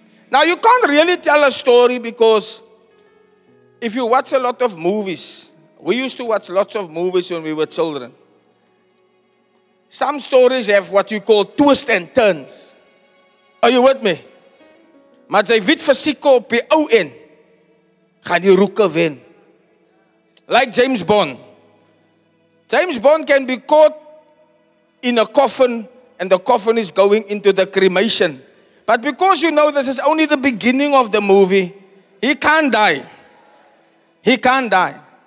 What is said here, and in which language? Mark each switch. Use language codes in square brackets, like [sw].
[en] Now you can't really tell a story, because if you watch a lot of movies, we used to watch lots of movies when we were children. Some stories have what you call twists and turns. Are you with me? [af] Maar jy weet fisiek op die ou end gaan die roeke wen. [en] like James Bond. James Bond can be caught in a coffin and the coffin is going into the cremation. But because you know this is only the beginning of the movie, he can't die. He can't die.